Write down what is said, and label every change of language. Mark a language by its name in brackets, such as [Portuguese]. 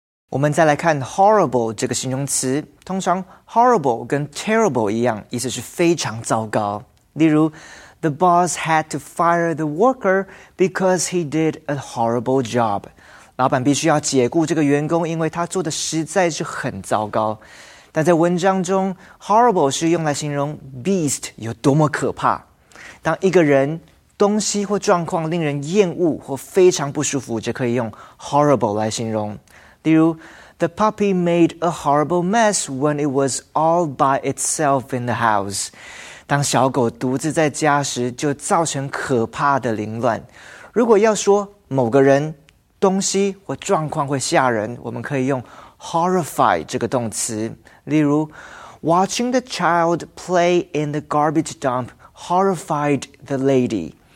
[Chinese] 我们再来看 horrible 这个形容词，通常 horrible 跟 terrible 一样，意思是非常糟糕。例如 [English] ，The boss had to fire the worker because he did a horrible job。 [Chinese] 老板必须要解雇这个员工，因为他做的实在是很糟糕。但在文章中 ，horrible 是用来形容 beast 有多么可怕。当一个人、东西或状况令人厌恶或非常不舒服，就可以用 horrible 来形容。例如 [English] ,the puppy made a horrible mess when it was all by itself in the house. [Chinese] 当小狗独自在家时就造成可怕的凌乱。如果要说某个人、东西或状况会吓人，我们可以用 horrify 这个动词。例如 [English] ,watching the child play in the garbage dump horrified the lady.